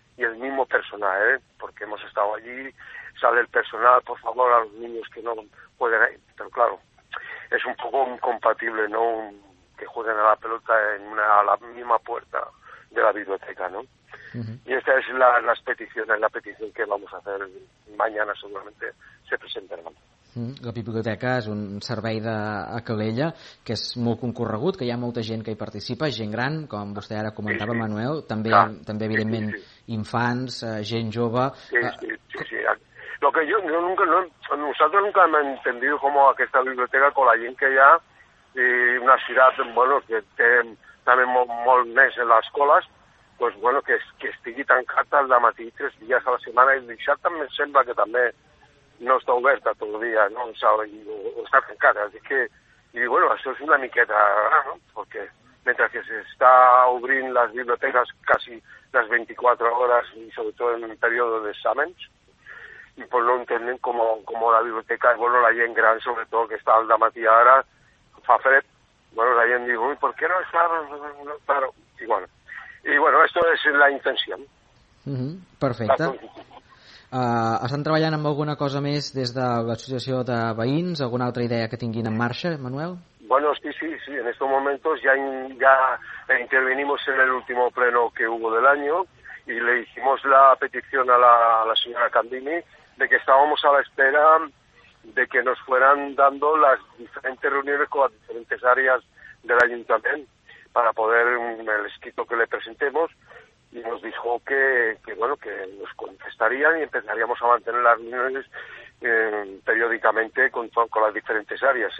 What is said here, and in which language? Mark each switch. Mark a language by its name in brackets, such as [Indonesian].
[Spanish] Y el mismo personal, ¿eh? Porque hemos estado allí, sale el personal, por favor, a los niños que no pueden ir. Pero claro, es un poco incompatible, ¿no?, que jueguen a la pelota en a la misma puerta de la biblioteca, ¿no? Uh-huh. Y esta es la petición que vamos a hacer mañana, seguramente se presentará. Uh-huh. [Catalan] La biblioteca és un servei a Calella que és molt concorregut, que hi ha molta gent que hi participa, gent gran, com vostè ara comentava, sí, Manuel, també, clar, també evidentment, sí. Infants, gent jove... [Spanish] Sí. Lo que yo nunca, no, nosotros nunca hemos entendido cómo esta biblioteca con la gente que ya, y una ciudad, bueno, que tiene también [Catalan] molt més [Spanish] en las colas, pues bueno, [Catalan] que estigui tancat al dematí 3 dies a la setmana, i això també sembla que també no està oberta tot el dia, no? O està tancada. Así que, y bueno, això és una miqueta, ¿no? [Spanish] Porque mientras que se está obrint las bibliotecas casi las 24 horas, y sobre todo en un periodo de exámenes, y pues no entienden como la biblioteca, bueno, [Catalan] la gent gran, [Spanish] sobre todo, que está al dematí ahora, [Catalan] fa fred, [Spanish] bueno, [Catalan] la gent diu, [Spanish] ¿por qué no está? Claro, y bueno. Y bueno, esto es la intención. [Catalan] Mm-hmm. Perfecte. Estan treballant amb alguna cosa més des de l'associació de veïns, alguna altra idea que tinguin en marxa, Manuel? [Spanish] Bueno, sí, en estos momentos ya intervenimos en el último pleno que hubo del año, y le hicimos la petición a la señora Candini de que estábamos a la espera de que nos fueran dando las diferentes reuniones con las diferentes áreas del ayuntamiento para poder el escrito que le presentemos, y nos dijo que bueno, que nos contestarían y empezaríamos a mantener las reuniones periódicamente con las diferentes áreas.